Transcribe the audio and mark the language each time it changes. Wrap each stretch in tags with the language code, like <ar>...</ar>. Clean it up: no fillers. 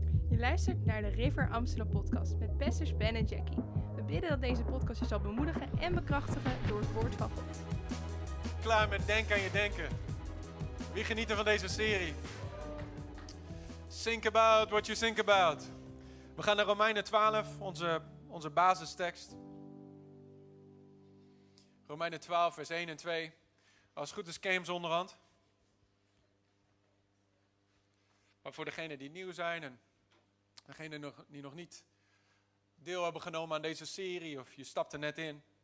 <nl>luistert naar de River Amsterdam podcast met Pesters Ben en Jackie. We bidden dat deze podcast je zal bemoedigen en bekrachtigen door het woord van God. Klaar met denken aan je denken. Wie geniet er van deze serie?</nl> <en>Think about what you think about.</en> <nl>We gaan naar Romeinen 12, onze basistekst. Romeinen 12, vers 1 en 2. Als het goed is, came ze onderhand. Maar voor degenen die nieuw zijn en degenen die nog niet deel hebben genomen aan deze serie of je stapte net in.</nl>